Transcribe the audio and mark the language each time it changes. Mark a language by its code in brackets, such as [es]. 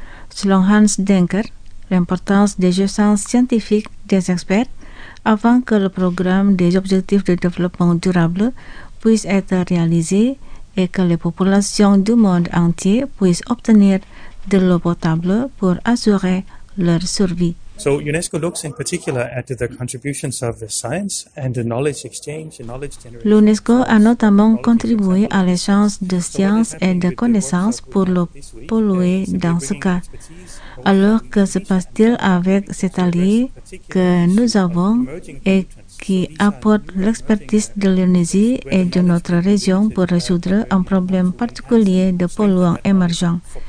[fr] Selon Hans Dekker, l'importance des connaissances scientifiques des experts afin que le programme des objectifs de développement durable puisse être réalisé et que les populations du monde entier puissent obtenir de l'eau potable pour assurer leur survie. [en] So UNESCO looks in particular at the contributions of the science and the knowledge exchange, knowledge generation. [fr] L'UNESCO a notamment contribué à l'échange de sciences et de connaissances pour l'eau polluée dans ce cas. Alors que se passe-t-il avec cet allié que nous avons et qui apporte l'expertise de l'Indonésie et de notre région pour résoudre un problème particulier de polluants émergents?